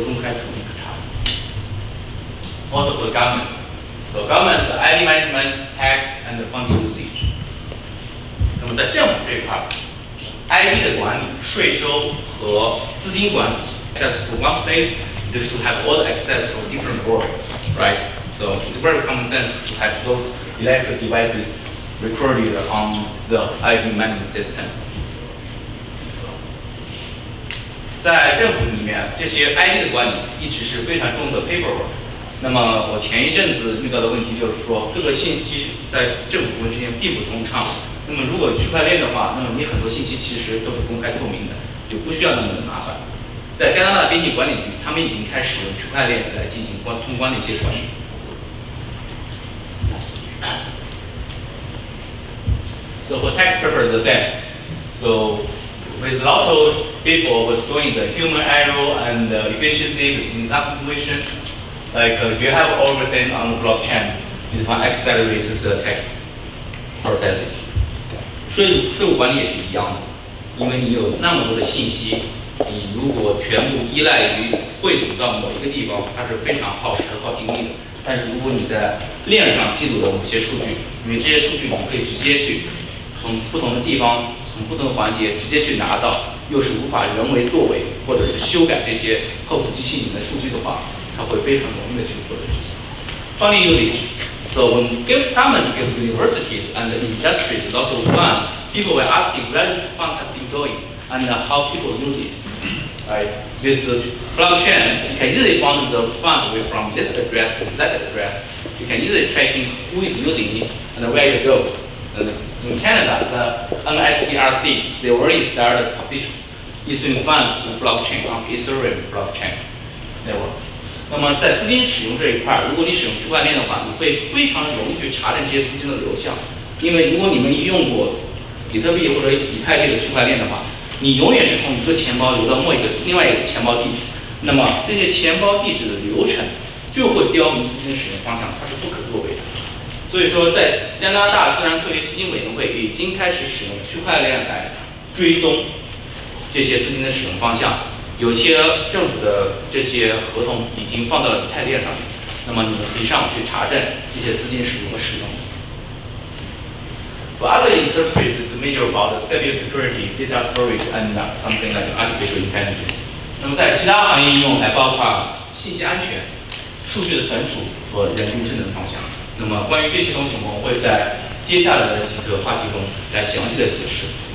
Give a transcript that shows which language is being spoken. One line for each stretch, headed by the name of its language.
Chinese: 那在地产行业，同样我们也牵涉到这些信息改写的问题。瑞士国土统计局已经开始使用区块链来登记房产，来保证没有人能够轻易的改变它的状态。那么可能在未来，我们不再需要地产机构来给我们提供一份详细的报告，因为这些信息都是公开、统一可查的。
English: Also for government. So government's ID management, tax, and funding usage.
Chinese: 那么在政府这一块 ，ID 的管理、税收和资金管理，
English: access to one place, you should have all the access from different world, right? So it's very common sense to have those electric devices recorded on the ID management system.
Chinese: 在政府里面，这些 ID 的管理一直是非常重的 paperwork。那么我前一阵子遇到的问题就是说，各个信息在政府部门之间并不通畅。那么如果区块链的话，那么你很多信息其实都是公开透明的，就不需要那么的麻烦。在加拿大边境管理局，他们已经开始用区块链来进行通关的一些管理。
English: So for tax purposes, then, so with lots of people was doing the human error and efficiency in that information, like if you have everything on the blockchain, it can accelerate the tax processing.
Chinese: 税务管理也是一样的，因为你有那么多的信息，你如果全部依赖于汇总到某一个地方，它是非常耗时耗精力的。但是如果你在链上记录了某些数据，因为这些数据你可以直接去从不同的地方，从不同的环节直接去拿到，又是无法人为作为或者是修改这些 POS 机器里面的数据的话，它会非常容易的去获得这些。
English: Funny usage. So when governments give universities and industries lots of funds, people were asking where this fund has been going and how people use it. This blockchain, you can easily find the funds away from this address to that address. You can easily tracking who is using it and where it goes. And in Canada, the NSBRC, they already started publishing issuing funds through blockchain on Ethereum blockchain network.
Chinese: 那么在资金使用这一块，如果你使用区块链的话，你会非常容易去查证这些资金的流向。因为如果你们用过比特币或者以太币的区块链的话，你永远是从一个钱包流到另外一个钱包地址，那么这些钱包地址的流程就会标明资金使用方向，它是不可作为的。所以说，在加拿大自然科学基金委员会已经开始使用区块链来追踪这些资金的使用方向，有些政府的这些合同已经放到了以太链上面，那么你们可以上网去查证这些资金使用和使用。
English: For other industries, it's major about cyber security, data storage, and something like artificial intelligence.
Chinese: 那么在其他行业应用还包括信息安全、数据的存储和人工智能方向。那么关于这些东西，我们会在接下来的几个话题中来详细的解释。